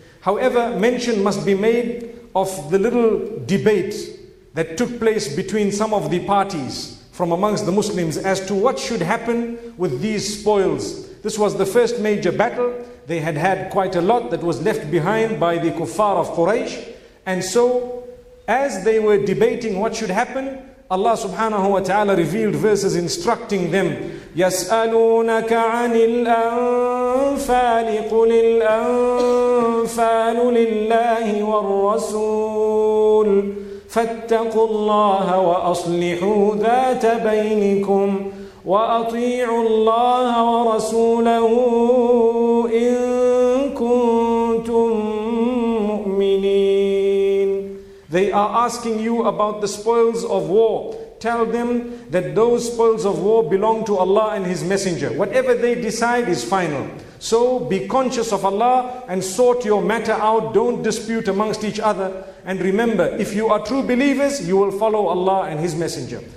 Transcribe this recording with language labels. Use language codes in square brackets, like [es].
[en] However, mention must be made of the little debate that took place between some of the parties from amongst the Muslims as to what should happen with these spoils. This was the first major battle. They had had quite a lot that was left behind by the kuffar of Quraysh. And so, as they were debating what should happen, Allah subhanahu wa ta'ala revealed verses instructing them, [ar] يَسْأَلُونَكَ عَنِ الْأَنْفَالِ قُلِ الْأَنْفَالُ لِلَّهِ وَالرَّسُولِ فَاتَّقُوا اللَّهَ وَأَصْلِحُوا ذَاتَ بَيْنِكُمْ وَأَطِيعُوا اللَّهَ وَرَسُولَهُ إِن كُنتُم مُؤْمِنِينَ. [en] They are asking you about the spoils of war. Tell them that those spoils of war belong to Allah and His Messenger. Whatever they decide is final. So be conscious of Allah and sort your matter out. Don't dispute amongst each other. And remember, if you are true believers, you will follow Allah and His Messenger.